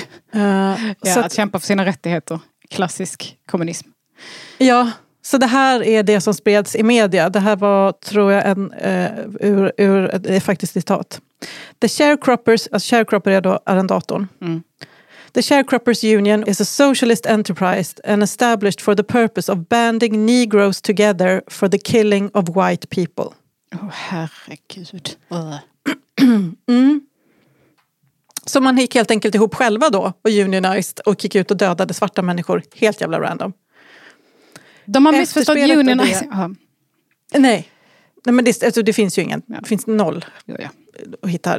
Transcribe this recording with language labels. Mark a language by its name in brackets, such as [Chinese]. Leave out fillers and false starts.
[Swedish] ja, så att kämpa för sina rättigheter. Klassisk kommunism. Ja. Så det här är det som spreds i media. Det här var, tror jag, ur det är faktiskt citat. [English] The sharecroppers, [Swedish] alltså sharecropper är då arrendatorn. Mm. [English] The sharecroppers union is a socialist enterprise and established for the purpose of banding negroes together for the killing of white people. [Swedish] Åh, herregud. Mm. Så man gick helt enkelt ihop själva då och unionized och gick ut och dödade svarta människor. Helt jävla random. De har missförstått unionize. Nej, men det finns ju ingen. Det finns noll att hitta.